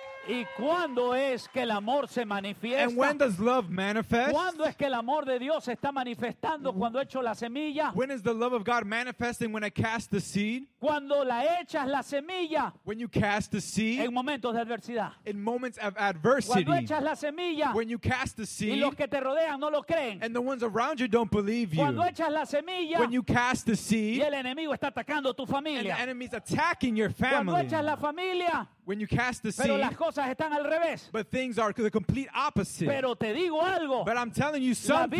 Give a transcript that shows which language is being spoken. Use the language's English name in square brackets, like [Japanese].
[Spanish] ¿Y cuándo es que el amor se manifiesta? [English] And when does love manifest? [Spanish] ¿Cuándo es que el amor de Dios está manifestando cuando echo la semilla? [English] When is the love of God manifesting when I cast the seed? [Spanish] Cuando la echas la semilla. [English] When you cast the seed. [Spanish] En momentos de adversidad. [English] In moments of adversity. [Spanish] Cuando echas la semilla. [English] When you cast the seed. [Spanish] Y los que te rodean no lo creen. [English] And the ones around you don't believe you. [Spanish] Cuando echas la semilla. [English] When you cast the seed. [Spanish] Y el enemigo está atacando tu familia. [English] And the enemy is attacking your family. [Spanish] Cuando echas la familia. [English] When you cast the seed, [Spanish] pero las cosas están al revés. [English] But things are the complete opposite. [Spanish] Pero te digo algo, [English] but I'm telling you something.